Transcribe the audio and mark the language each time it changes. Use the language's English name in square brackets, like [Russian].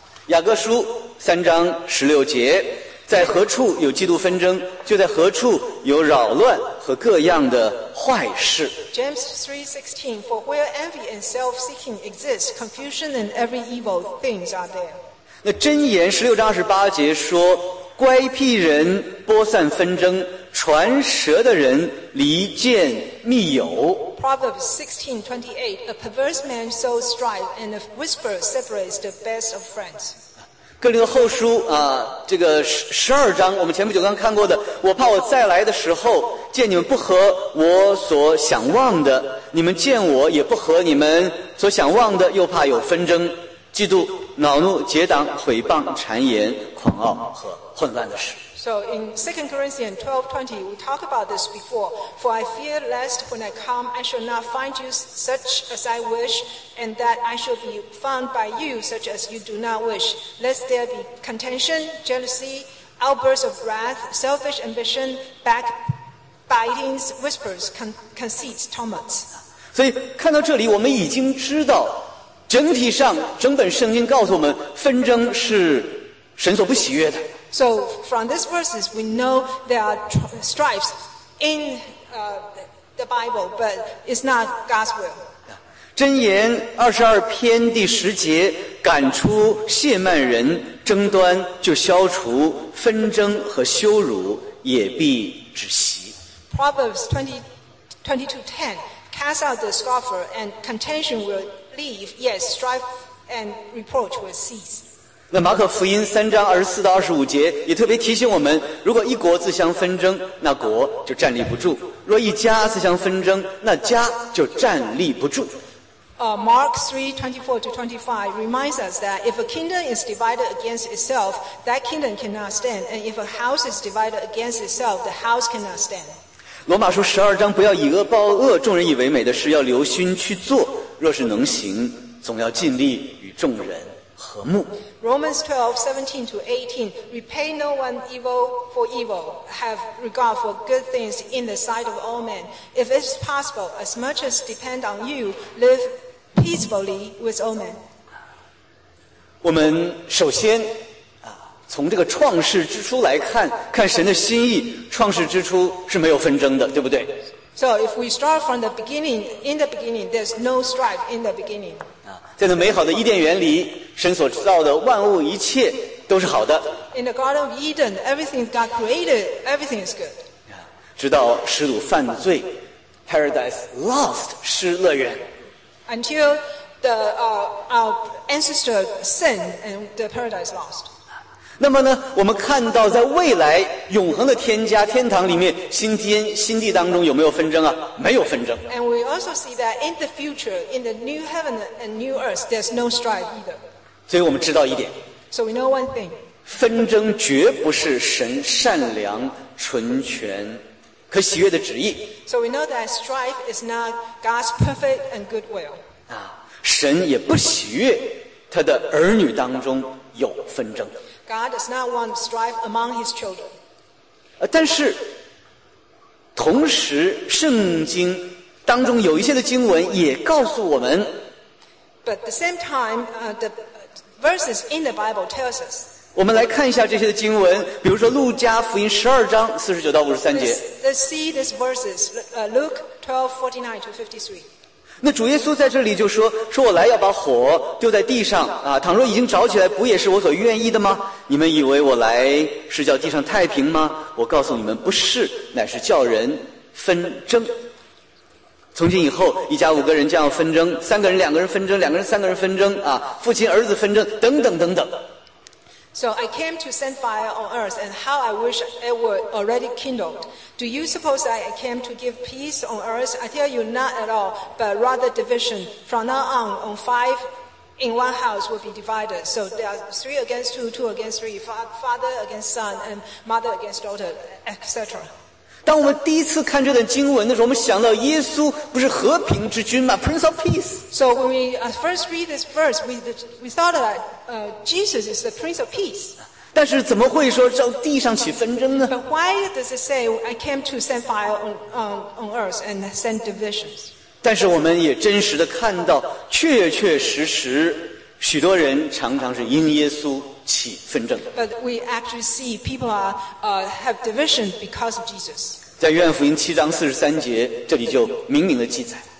[Chinese] 雅各书三章十六节，在何处有基督纷争，就在何处有扰乱和各样的坏事。 [English] James 3:16, For where envy and self-seeking exist, confusion and every evil things are there. [Chinese] 那箴言十六章二十八节说，乖僻人播散纷争，传舌的人离间密友。 [English] Proverbs 16:28, A perverse man sows strife, and a whisper separates the best of friends. [Chinese] 哥林多后书这个十二章，我们前不久刚看过的，我怕我再来的时候见你们不合我所想望的，你们见我也不合你们所想望的，又怕有纷争、嫉妒、恼怒、结党、毁谤、谗言、狂傲和混乱的事。 [English] So in 2 Corinthians 12:20, we talked about this before. For I fear lest when I come, I shall not find you such as I wish, and that I shall be found by you such as you do not wish. Lest there be contention, jealousy, outbursts of wrath, selfish ambition, backbitings, whispers, conceits, tumults. [Chinese] 所以看到这里，我们已经知道，整体上整本圣经告诉我们，纷争是神所不喜悦的。 [English] So from these verses, we know there are strifes in the Bible, but it's not God's will. [Chinese] 箴言二十二篇第十节，赶出亵慢人，争端就消除，纷争和羞辱也必止息。 [English] Proverbs 22:10, cast out the scoffer, and contention will leave. Yes, strife and reproach will cease. [Chinese] 那马可福音三章二十四到二十五节也特别提醒我们，如果一国自相纷争，那国就站立不住；若一家自相纷争，那家就站立不住。 [English] Mark 3:24-25 reminds us that if a kingdom is divided against itself, that kingdom cannot stand, and if a house is divided against itself, the house cannot stand. [Chinese] 罗马书十二章，不要以恶报恶，众人以为美的事要留心去做，若是能行，总要尽力与众人和睦。 [English] Romans 12:17-18, repay no one evil for evil, have regard for good things in the sight of all men. If it's possible, as much as depend on you, live peacefully with all men. [Chinese] 我们首先从这个创世之初来看，看神的心意，创世之初是没有纷争的，对不对？ [English] So if we start from the beginning, in the beginning, there's no strife in the beginning. [Chinese] 在那美好的伊甸园里，神所造的万物一切都是好的。 [English] In the Garden of Eden, everything God created, everything is good. [Chinese] 直到始祖犯罪， [English] Paradise lost, [Chinese] 失乐园。 [English] Until the, our ancestor sinned and the paradise lost. [Chinese] 那么呢，我们看到在未来永恒的天家天堂里面，新天新地当中有没有纷争啊？没有纷争。 [English] And we also see that in the future, in the new heaven and new earth, there's no strife either. [Chinese] 所以我们知道一点。 [English] So we know one thing. [Chinese] 纷争绝不是神善良、纯全、可喜悦的旨意。 [English] So we know that strife is not God's perfect and good will. [Chinese] 啊，神也不喜悦他的儿女当中有纷争。 [English] God does not want strife among his children. [Chinese] 但是同时圣经当中有一些的经文也告诉我们。 [English] But the same time, the verses in the Bible tells us. [Chinese] 我们来看一下这些的经文，比如说路加福音12:49-53. [English] Let's see these verses, Luke 12:49-53. [Chinese] 那主耶稣在这里就说，说我来要把火丢在地上啊，倘若已经着起来，不也是我所愿意的吗？你们以为我来是叫地上太平吗？我告诉你们，不是，乃是叫人纷争。从今以后，一家五个人将要纷争，三个人两个人纷争，两个人三个人纷争啊，父亲儿子纷争，等等等等。 [English] So I came to send fire on earth, and how I wish it were already kindled. Do you suppose I came to give peace on earth? I tell you, not at all, but rather division. From now on five in one house will be divided. So there are three against two, two against three, father against son, and mother against daughter, etc. [Chinese] 当我们第一次看这段经文的时候，我们想到耶稣不是和平之君吗？ [English] Prince of Peace. So when we first read this verse, we thought that Jesus is the Prince of Peace. [Chinese] 但是怎么会说在地上起纷争呢？ [English] But why does it say I came to send fire on earth and send divisions? [Chinese] 但是我们也真实的看到，确确实实，许多人常常是因耶稣起纷争。 [English] But we actually see people are, have division because of Jesus. [Chinese] 在约翰福音7:43，这里就明明的记载。